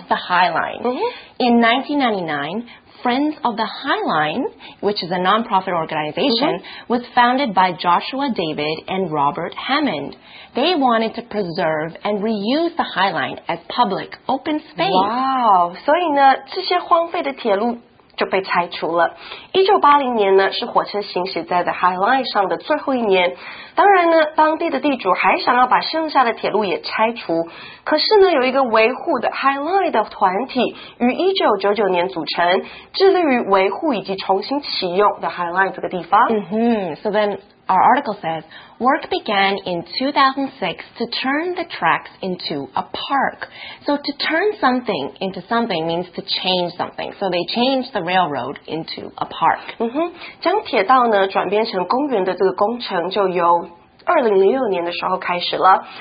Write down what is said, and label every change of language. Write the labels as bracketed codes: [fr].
[en] wow. the High Line.、 Mm-hmm. In 1999, Friends of the High Line, which is a nonprofit organization, mm-hmm. was founded by Joshua David and Robert Hammond. They wanted to preserve and reuse the High Line as public open space. [zh] Wow, 所以呢，这些荒废的铁路就被拆除了。 1980年呢，是火车行驶在 The High Line 上的最后一年。当然呢，当地的地主还想要把剩下的铁路也拆除。可是呢，有一个维护的 High Line 的团体于1999年组成，致力于维护以及重新启用 The High Line 这个地方。 Mm-hmm. [en] So then our article says, work began in 2006 to turn the tracks into a park. So to turn something into something means to change something. So they changed the railroad into a park. [zh] 嗯哼，将铁道呢转变成公园的这个工程就由2006年的时候开始了。